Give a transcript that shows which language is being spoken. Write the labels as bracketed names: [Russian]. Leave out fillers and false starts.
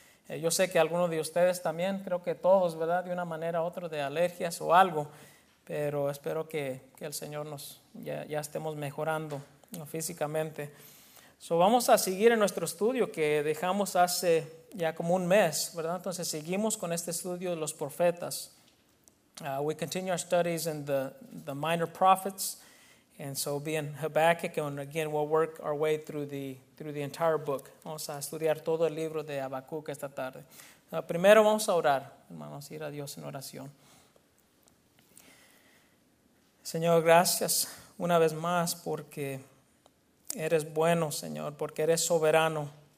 [Spanish] Yo sé que algunos de ustedes también, creo que todos, ¿verdad? De una manera u otra, de alergias o algo, pero espero que el Señor ya estemos mejorando, ¿no?, físicamente. So, vamos a seguir en nuestro estudio que dejamos hace ya como un mes, ¿verdad? Entonces seguimos con este estudio de los profetas. [English] We continue our studies in the minor prophets, and so be in Habakkuk, and again we'll work our way through the entire book. [Spanish] Vamos a estudiar todo el libro de Habacuc esta tarde. Primero vamos a orar, hermanos, ir a Dios en oración. Señor, gracias una vez más porque eres bueno, Señor, porque eres soberano.